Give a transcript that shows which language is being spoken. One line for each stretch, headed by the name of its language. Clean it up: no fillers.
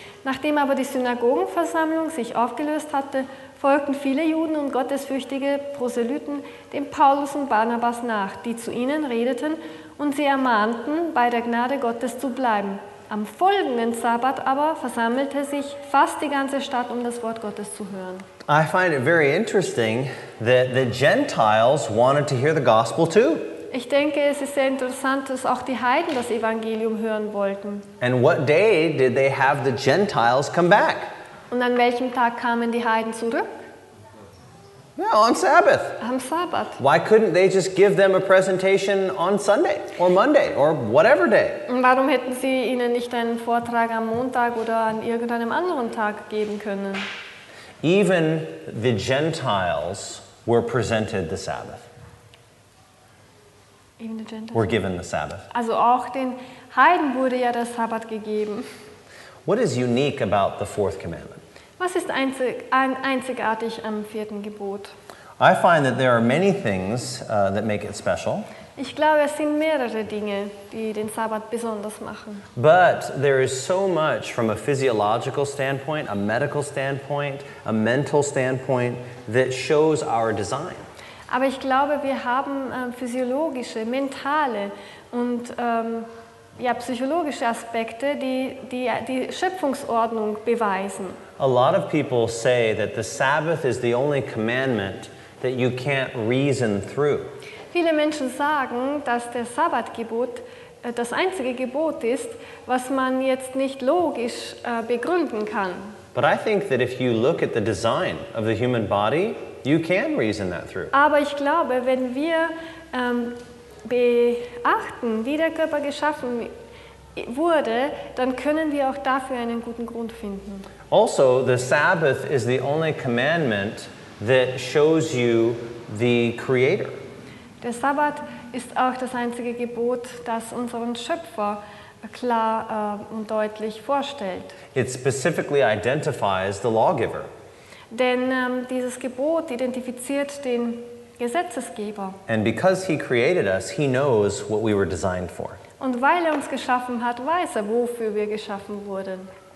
German: Nachdem aber die Synagogenversammlung sich aufgelöst hatte, folgten viele Juden und gottesfürchtige Proselyten dem Paulus und Barnabas nach, die zu ihnen redeten und sie ermahnten, bei der Gnade Gottes zu bleiben. Am folgenden Sabbat aber versammelte sich fast die ganze Stadt, um das Wort Gottes zu hören.
English: I find it very interesting that the Gentiles wanted to hear the gospel too.
German: Ich denke, es ist sehr interessant, dass auch die Heiden das Evangelium hören wollten.
English: And what day did they have the Gentiles come back?
German: Und an welchem Tag kamen die Heiden zurück?
English: Yeah, on Sabbath.
German: Am Sabbat.
English: Why couldn't they just give them a presentation on Sunday or Monday or whatever day?
German: Und warum hätten sie ihnen nicht einen Vortrag am Montag oder an irgendeinem anderen Tag geben können?
English: Even the Gentiles were presented the Sabbath. Even the Gentiles were given the Sabbath.
German: Also auch den Heiden wurde ja der Sabbat gegeben.
English: What is unique about the fourth commandment?
German: Was ist einzigartig am vierten Gebot?
English: I find that there are many things that make it special.
German: Ich glaube, es sind mehrere Dinge, die den Sabbat besonders machen.
English: But there is so much from a physiological standpoint, a medical standpoint, a mental standpoint that shows our design.
German: Aber ich glaube, wir haben physiologische, mentale und ja, psychologische Aspekte, die Schöpfungsordnung beweisen.
English: A lot of people say that the Sabbath is the only commandment that you can't reason through.
German: Viele Menschen sagen, dass der Sabbatgebot das einzige Gebot ist, was man jetzt nicht logisch begründen kann.
English: But I think that if you look at the design of the human body, you can reason that through.
German: Aber ich glaube, wenn wir beachten, wie der Körper geschaffen wurde, dann können wir auch dafür einen guten Grund finden.
English: Also, the Sabbath is the only commandment that shows you the Creator.
German: Der Sabbat ist auch das einzige Gebot, das unseren Schöpfer klar und deutlich vorstellt.
English: It specifically identifies the lawgiver.
German: Denn dieses Gebot identifiziert den Gesetzesgeber.
English: And because he created us, he knows what we were designed for.
German: Und weil uns geschaffen hat, weiß wofür wir geschaffen wurden.